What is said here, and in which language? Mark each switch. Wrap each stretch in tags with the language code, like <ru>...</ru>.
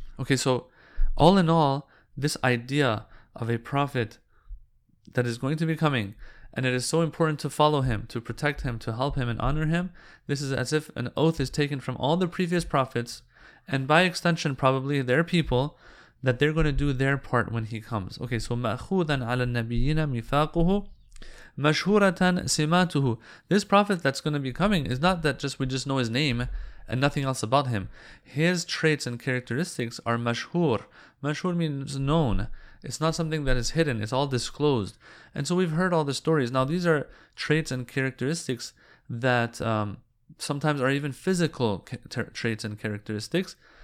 <en>Okay, so all in all, this idea of a prophet that is going to be coming, and it is so important to follow him, to protect him, to help him and honor him, this is as if an oath is taken from all the previous prophets, and by extension probably their people, that they're going to do their part when he comes.</en> <ar>Okay, so مَأْخُوذًا عَلَى النَّبِيِّينَ مِفَاقُهُ مَشْهُورَةً سِمَاتُهُ.</ar> <en>This prophet that's going to be coming is not that just we just know his name and nothing else about him. His traits and characteristics are مَشْهُور. مَشْهُور means known. It's not something that is hidden. It's all disclosed. And so we've heard all the stories. Now these are traits and characteristics that sometimes are even physical traits and characteristics.</en>